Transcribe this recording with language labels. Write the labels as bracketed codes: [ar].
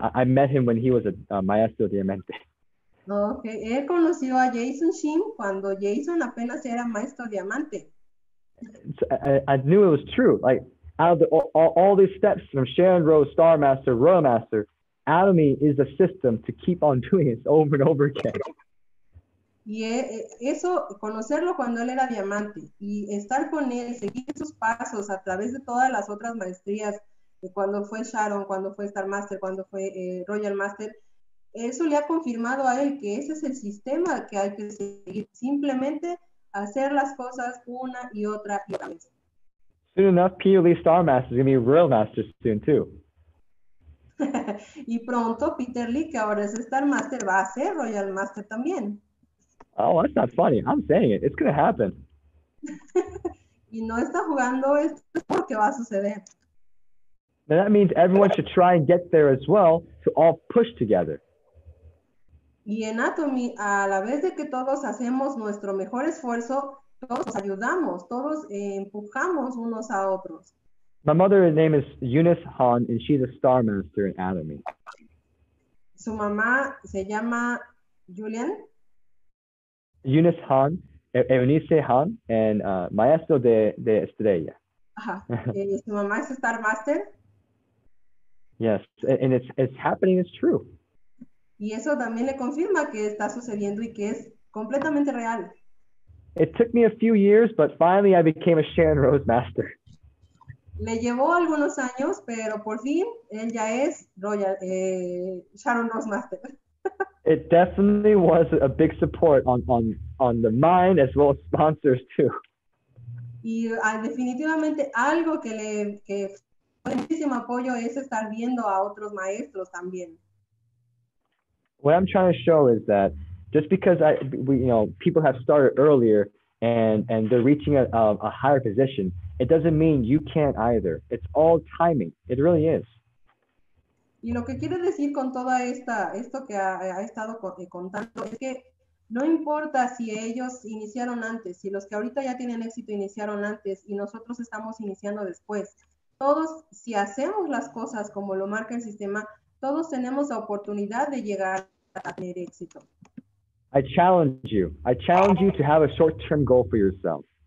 [en] I met him when he was a [es] Maestro Diamante. Okay, él conoció a Jason Shim cuando Jason apenas era Maestro Diamante. [en] So I knew it was true. Like, out of the, all these steps from Sharon Rose, Star Master, Royal Master, Atomy is a system to keep on doing this over and over again. [es] Y eso, conocerlo cuando él era Diamante y estar con él, seguir sus pasos a través de todas las otras maestrías, cuando fue Sharon, cuando fue Star Master, cuando fue Royal Master, eso le ha confirmado a él que ese es el sistema que hay que seguir, simplemente hacer las cosas una y otra y otra vez. [en] Soon enough, Peter Lee Star Master is going to be Royal Master soon too. [es] Y pronto, Peter Lee, que ahora es Star Master, va a ser Royal Master también. [en] Oh, that's not funny. I'm saying it. It's going to happen. [es] Y no está jugando esto porque va a suceder. [en] And that means everyone should try and get there as well to all push together. [es] Y en Atomy, a la vez de que todos hacemos nuestro mejor esfuerzo, todos ayudamos, todos empujamos unos a otros. [en] My mother's name is Eunice Han, and she's a Star Master in Atomy. [es] Su mamá se llama Julian. Eunice Han, Eunice Han, and Maestro de Estrella. Ajá. Su mamá es Star Master. [en] Yes, and it's happening, it's true. [es] Y eso también le confirma que está sucediendo y que es completamente real. [en] It took me a few years, but finally I became a Sharon Rose Master. [es] Le llevó algunos años, pero por fin él ya es Royal, Sharon Rose Master. [en] It definitely was a big support on the mind as well as sponsors too. [es] Y definitivamente algo que le... Que muchísimo apoyo es estar viendo a otros maestros también. [en] What I'm trying to show is that just because people have started earlier and they're reaching a higher position, it doesn't mean you can't either. It's all timing. It really is. [es] Y lo que quiere decir con toda esto que ha estado contando es que no importa si ellos iniciaron antes, si los que ahorita ya tienen éxito iniciaron antes y nosotros estamos iniciando después. Todos, si hacemos las cosas como lo marca el sistema, todos tenemos la oportunidad de llegar a tener éxito. [en] I challenge you. I challenge you to have a short-term goal for yourself.